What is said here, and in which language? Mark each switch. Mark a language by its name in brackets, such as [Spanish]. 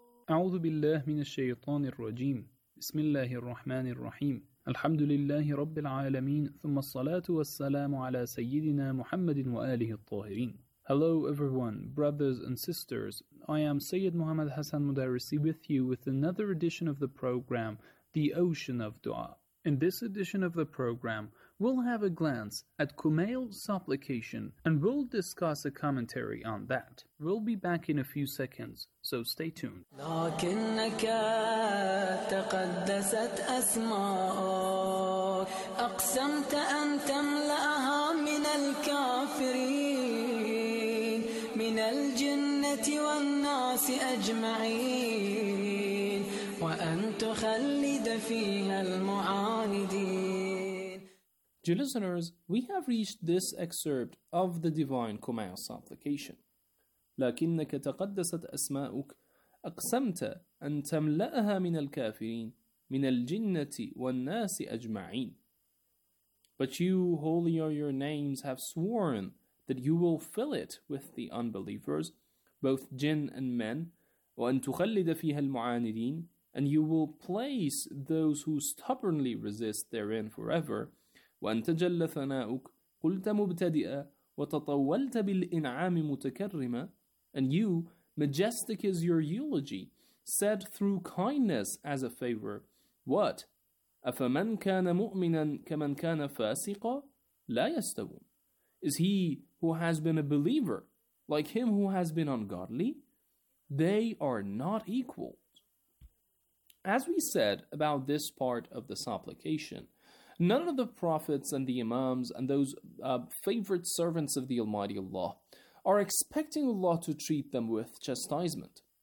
[Arabic] أعوذ بالله من الشيطان الرجيم. بسم الله الرحمن الرحيم. الحمد لله رب العالمين، ثم الصلاة والسلام على سيدنا محمد وآله الطاهرين. [English] Hello everyone, brothers and sisters. I am Sayyid Muhammad Hassan Mudarrisi with you with another edition of the program, The Ocean of Dua. In this edition of the program, we'll have a glance at Kumail's supplication and we'll discuss a commentary on that. We'll be back in a few seconds, so stay tuned. [Arabic] لكنك تقدست أسماءك أقسمت أن تملأها من الكافرين من الجنة والناس أجمعين وأن تخلد فيها المعاندين. [English] Dear listeners, we have reached this excerpt of the Divine Kumail supplication. [Arabic] لَكِنَّكَ تَقَدَّسَتْ أَسْمَاؤُكَ أَقْسَمْتَ أَن تَمْلَأَهَا مِنَ الْكَافِرِينَ مِنَ الْجِنَّةِ وَالنَّاسِ أَجْمَعِينَ. [English] But you, holy are your names, have sworn that you will fill it with the unbelievers, both jinn and men, [Arabic] وَأَن تُخَلِّدَ فِيهَا الْمُعَانِدِينَ, [English] and you will place those who stubbornly resist therein forever. [Arabic] وأن تجلى ثناؤك قلت مبتدئا وتطولت بالإنعام متكرما. [English] And you, majestic is your eulogy, said through kindness as a favor. What? [Arabic] أفمن كان مؤمنا كمن كان فاسقا لا يستوون. [English] Is he who has been a believer like him who has been ungodly? They are not equal. As we said about this part of the supplication, none of the prophets and the imams and those favorite servants of the Almighty Allah are expecting Allah to treat them with chastisement.